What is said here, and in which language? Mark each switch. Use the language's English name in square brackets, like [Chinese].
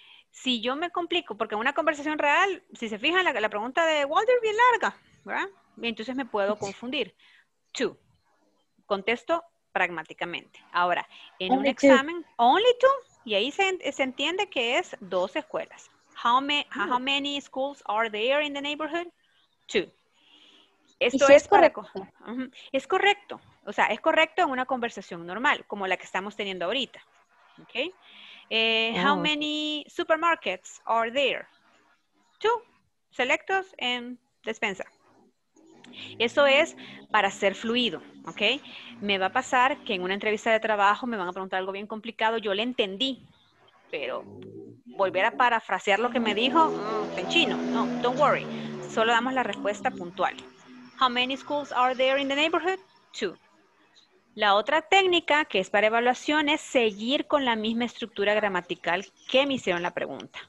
[Spanish] Si yo me complico, porque en una conversación real, si se fijan, la pregunta de Walter es bien larga, ¿verdad? Entonces me puedo confundir. Two. Contesto pragmáticamente. Ahora, en only un two. Examen, [English] only two, [Spanish] y ahí se entiende que es dos escuelas. [English] How many schools are there in the neighborhood? Two. [Spanish] Esto si es correcto. Es correcto. O sea, es correcto en una conversación normal, como la que estamos teniendo ahorita. [English] ¿Ok? How many supermarkets are there? Two. [Spanish] Selectos en despensa. Eso es para ser fluido. ¿Ok? Me va a pasar que en una entrevista de trabajo me van a preguntar algo bien complicado. Yo le entendí, pero volver a parafrasear lo que me dijo, en chino. No, [English] don't worry. [Spanish] Solo damos la respuesta puntual. [English] How many schools are there in the neighborhood? Two. [Spanish] La otra técnica, que es para evaluación, es seguir con la misma estructura gramatical que me hicieron la pregunta.